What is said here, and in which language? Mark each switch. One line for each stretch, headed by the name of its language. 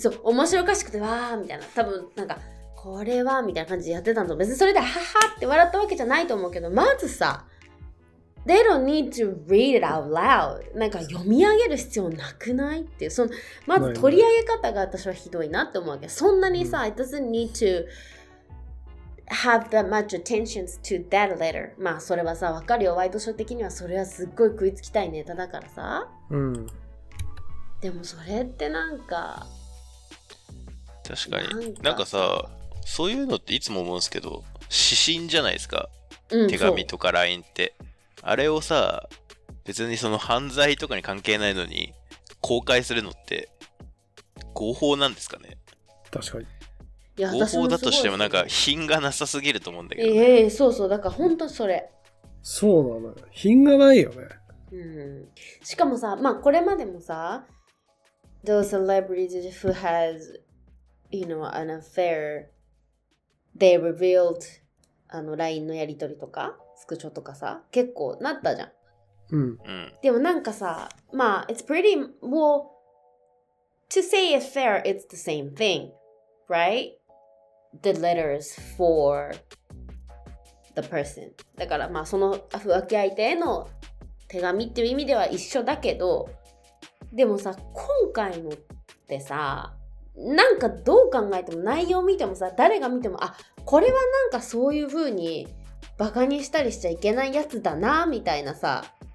Japanese: そう、面白おかしくて、わーみたいな。多分なんか、これはみたいな感じでやってたの。別にそれでハハって笑ったわけじゃないと思うけど、まずさ、
English: They don't need to read it out loud.
Japanese: なんか読み上げる必要なくないっていう、その、まず取り上げ方が私はひどいなって思うわけ。そんなにさ、うん、
English: It doesn't need to have that much attention to that letter.
Japanese: まあそれはさ、わかるよ。ワイドショー的にはそれはすっごい食いつきたいネタだからさ。うん。でもそれってなんか確かに、なんかさ、そういうのっていつも思うんですけど、指針じゃないですか、うん、手紙とか LINE って。あれをさ、別にその犯罪とかに関係ないのに公開するのって合法なんですかね。確かに。いや、合法だとしてもなんか品がなさすぎると思うんだけど、ね、そうそう、だから本当それそうなのよ、品がないよね、うん、しかもさ、まあこれまでもさ、
English: Those celebrities who has you know an affair they revealed
Japanese: あの LINE のやり取りとかスクショとかさ、結構なったじゃん。うん、でもなんかさ、まあ
English: it's pretty well to say affair, it's the same thing, right? The letters for the person.
Japanese: だからまあその浮気相手への手紙っていう意味では一緒だけど、でもさ、今回のってさ、なんかどう考えても内容見てもさ、誰が見ても、あ、これはなんかそういう風にバカにしたりしちゃいけないやつだなみたいなさ、